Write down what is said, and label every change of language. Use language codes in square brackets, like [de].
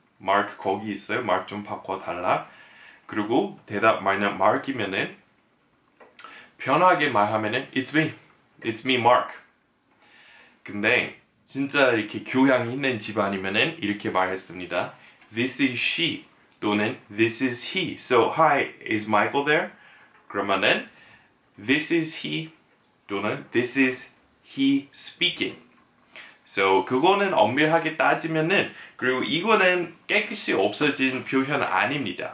[ko] Mark 거기 있어요? Mark 좀 바꿔 달라. 그리고 대답 만약 Mark이면은 편하게 말하면은 [en] It's me, Mark. [ko] 근데 진짜 이렇게 교양 있는 집안이면은 이렇게 말했습니다. [en] This is she. 또는 this is he. So, hi, is Michael there? [ko] 그러면은 [en] this is he [ko] 또는 [en] this is he speaking. [ko] So, 그거는 엄밀하게 따지면은 그리고 이거는 깨끗이 없어진 표현 아닙니다.